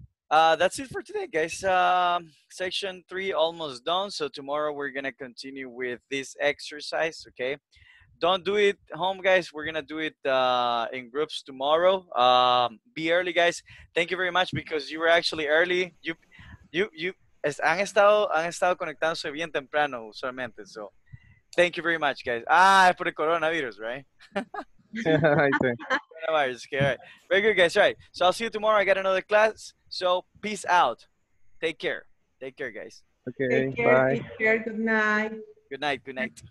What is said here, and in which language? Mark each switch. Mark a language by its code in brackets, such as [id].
[en] That's it for today, guys. Section three almost done. So tomorrow we're going to continue with this exercise, okay? Don't do it home, guys. We're going to do it in groups tomorrow. Be early, guys. Thank you very much because you were actually early. You [es] han estado conectándose bien temprano usualmente. [en] So thank you very much, guys. Ah, for the coronavirus, right? Coronavirus. Okay, all right. Very good, guys. All right. So I'll see you tomorrow. I got another class. So peace out. Take care. Take care, guys. Okay. Take care. Bye. Take care. Good night. Good night, good night.